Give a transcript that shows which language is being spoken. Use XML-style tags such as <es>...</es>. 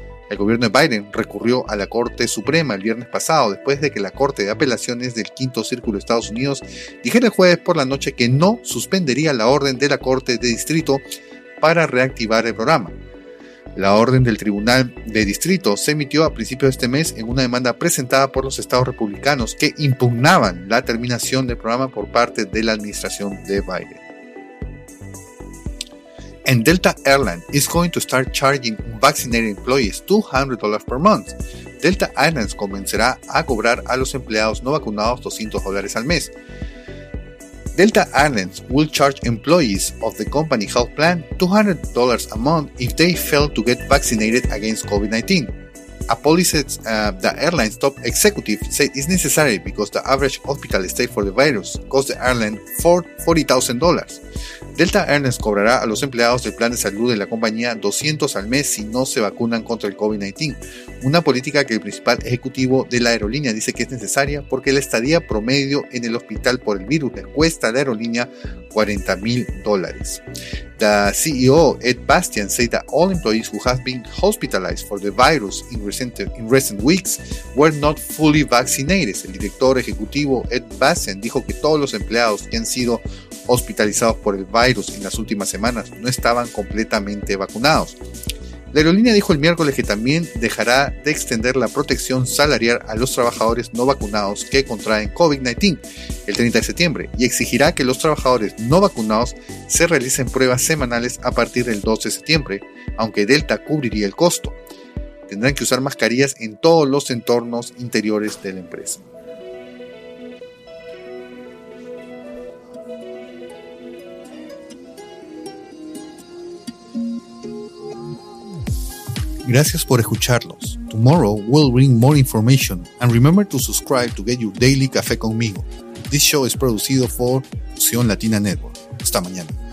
<es>El gobierno de Biden recurrió a la Corte Suprema el viernes pasado después de que la Corte de Apelaciones del Quinto Círculo de Estados Unidos dijera el jueves por la noche que no suspendería la orden de la Corte de Distrito para reactivar el programa. La orden del Tribunal de Distrito se emitió a principios de este mes en una demanda presentada por los estados republicanos que impugnaban la terminación del programa por parte de la administración de Biden.</es> <en>And Delta Airlines is going to start charging vaccinated employees $200 per month.</en> <es>Delta Airlines comenzará a cobrar a los empleados no vacunados $200 al mes.</es> <en>Delta Airlines will charge employees of the company health plan $200 a month if they fail to get vaccinated against COVID-19. A policy the airline's top executive said is necessary because the average hospital stay for the virus cost the airline $40,000.</en> <es>Delta Airlines cobrará a los empleados del plan de salud de la compañía $200 al mes si no se vacunan contra el COVID-19, una política que el principal ejecutivo de la aerolínea dice que es necesaria porque la estadía promedio en el hospital por el virus le cuesta a la aerolínea $40,000.</es> <en>The CEO, Ed Bastian, said that all employees who have been hospitalized for the virus in recent weeks were not fully vaccinated.</en> <es>El director ejecutivo, Ed Bastian, dijo que todos los empleados que han sido hospitalizados por el virus en las últimas semanas no estaban completamente vacunados. La aerolínea dijo el miércoles que también dejará de extender la protección salarial a los trabajadores no vacunados que contraen COVID-19 el 30 de septiembre y exigirá que los trabajadores no vacunados se realicen pruebas semanales a partir del 12 de septiembre, aunque Delta cubriría el costo. Tendrán que usar mascarillas en todos los entornos interiores de la empresa. Gracias por escucharlos.</es> <en>Tomorrow we'll bring more information and remember to subscribe to get your daily café conmigo. This show is produced for Fusión Latina Network.</en> <es>Hasta mañana.</es>